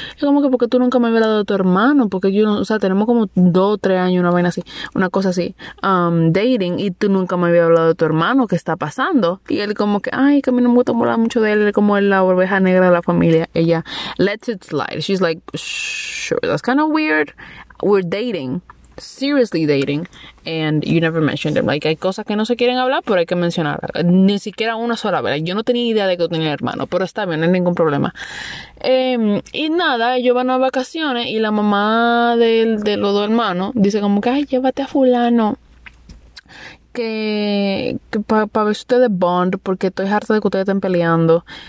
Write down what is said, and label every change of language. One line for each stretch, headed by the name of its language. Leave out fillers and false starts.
Spanish: Es como que, ¿por qué tú nunca me habías hablado de tu hermano? Porque yo, o sea, tenemos como 2 o 3 años, una vaina así. Una cosa así. Dating. Y tú nunca me habías hablado de tu hermano. ¿Qué está pasando? Y él como que, ay, que a mí no me gusta hablar mucho de él. Él como es la oveja negra de la familia.
English: Ella lets it slide. She's like, sure, that's kind of weird. We're dating, seriously dating, and you never mentioned him.
Spanish: Like, hay cosas que no se quieren hablar, pero hay que mencionarlas. Ni siquiera una sola vez. Yo no tenía idea de que tenía hermano, pero está bien, no hay ningún problema. Y nada, ellos van a vacaciones y la mamá de los dos hermanos dice como que, ay, llévate a fulano. Que para ver si ustedes bond, porque estoy harta de que ustedes estén peleando.